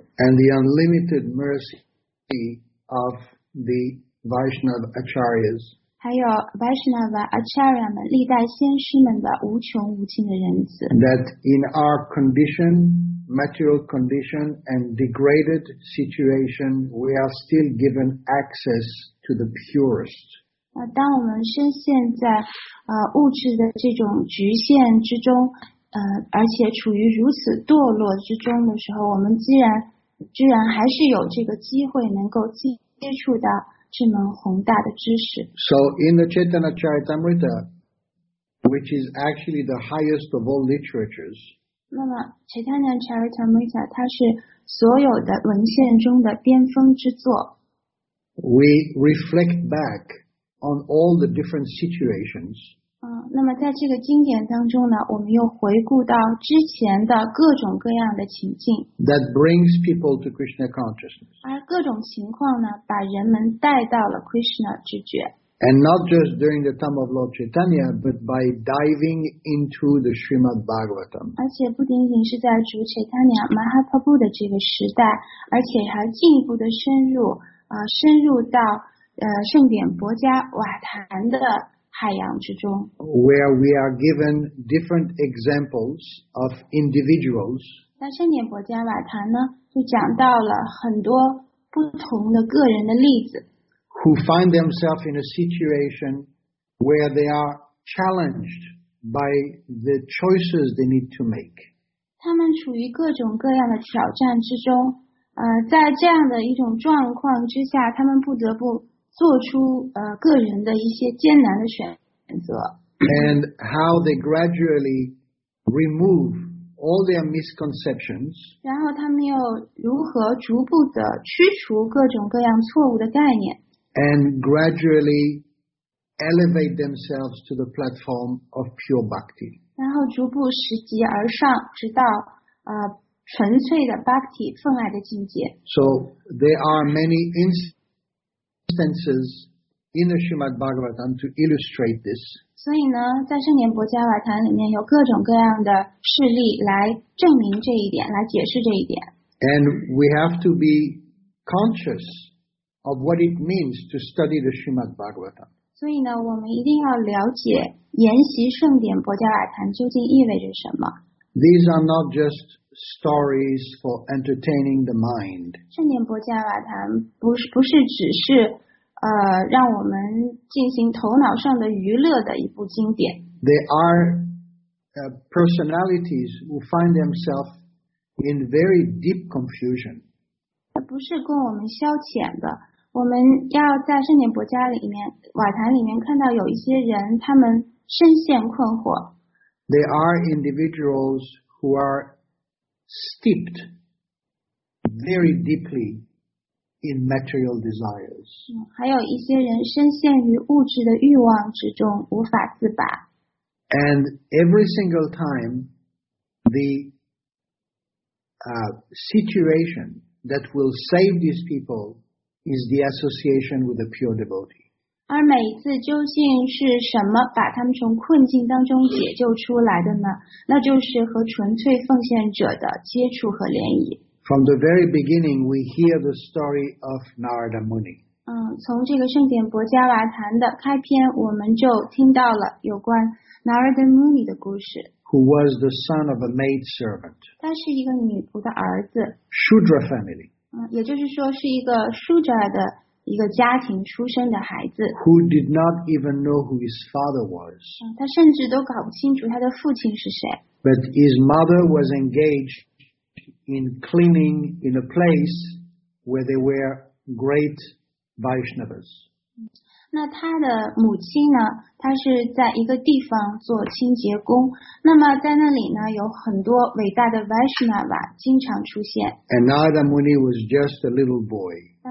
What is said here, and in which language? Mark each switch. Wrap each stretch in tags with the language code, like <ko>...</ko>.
<en>And the unlimited mercy of the Vaishnava Acharyas.</en> <zh>还有 Vaishnava Acharya 们历代先师们的无穷无尽的仁慈。</zh> <en>That in our condition, material condition and degraded situation, we are still given access to the purest.</en> <zh>当我们深陷在物质的这种局限之中，而且处于如此堕落之中的时候，我们居然还是有这个机会能够接触到。</zh> <en>So in the Chaitanya Charitamrita, which is actually the highest of all literatures,</en> <zh>那么 Chaitanya Charitamrita 它是所有的文献中的巅峰之作。</zh> <en>We reflect back on all the different situations.</en> <zh>那么在这个经典当中呢，我们又回顾到之前的各种各样的情境。</zh> <en>That brings people to Krishna consciousness.</en> <zh>而各种情况呢，把人们带到了 Krishna 知觉。</zh> <en>And not just during the time of Lord Chaitanya, but by diving into the Srimad Bhagavatam.</en> <zh>而且不仅仅是在主 Chaitanya Mahaprabhu 的这个时代，而且还进一步的深入到圣典薄伽瓦坛的。海洋之中</zh> <en>where we are given different examples of individuals.</en> <zh>在圣典薄伽瓦坛呢，就讲到了很多不同的个人的例子。</zh> <en>Who find themselves in a situation where they are challenged by the choices they need to make.</en> <zh>他们处于各种各样的挑战之中，在这样的一种状况之下，他们不得不。做出个人的一些艰难的选择</zh> <en>，and how they gradually remove all their misconceptions，</en> <zh>然后他们又如何逐步的驱除各种各样错误的概念</zh> <en>，and gradually elevate themselves to the platform of pure bhakti，</en> <zh>然后逐步拾级而上，直到纯粹的 bhakti 奉爱的境界。</zh> <en>So there are many instances in the Srimad Bhagavatam to illustrate this.</en> <zh>所以呢，在圣典薄伽瓦坛里面有各种各样的事例来证明这一点，来解释这一点。</zh> <en>And we have to be conscious of what it means to study the Srimad Bhagavatam.</en> <zh>所以呢，我们一定要了解研习圣典薄伽瓦坛究竟意味着什么。</zh> <en>These are not just stories for entertaining the mind.</en> <zh>圣典薄伽瓦坛不是只是让我们进行头脑上的娱乐的一部经典。</zh> <en>There are personalities who find themselves in very deep confusion.</en> <zh>它不是供我们消遣的。我们要在圣典薄伽瓦坛里面看到有一些人，他们深陷困惑。</zh> <en>There are individuals who are steeped very deeply in material desires.</en> <zh>还有一些人深陷于物质的欲望之中，无法自拔。</zh> <en>And every single time, the situation that will save these people is the association with a pure devotee.</en> <zh>而每一次究竟是什么把他们从困境当中解救出来的呢？那就是和纯粹奉献者的接触和联谊。</zh> <en>From the very beginning, we hear the story of Narada Muni.</en> <zh>从这个圣典博加瓦坛的开篇，我们就听到了有关 Narada Muni 的故事。</zh> <en>Who was the son of a maid servant?</en> <zh>他是一个女仆的儿子。</zh> <en>Shudra family.</en> <zh>也就是说是一个 Shudra 的一个家庭出生的孩子。</zh> <en>Who did not even know who his father was.</en> <zh>他甚至都搞不清楚他的父亲是谁。</zh> <en>But his mother was engaged in cleaning in a place where there were great Vaishnavas.</en> <zh>那他的母亲呢？他是在一个地方做清洁工。那么在那里呢，有很多伟大的 Vaishnava 经常出现。</zh> <en>And Narada Muni was just a little boy.</en>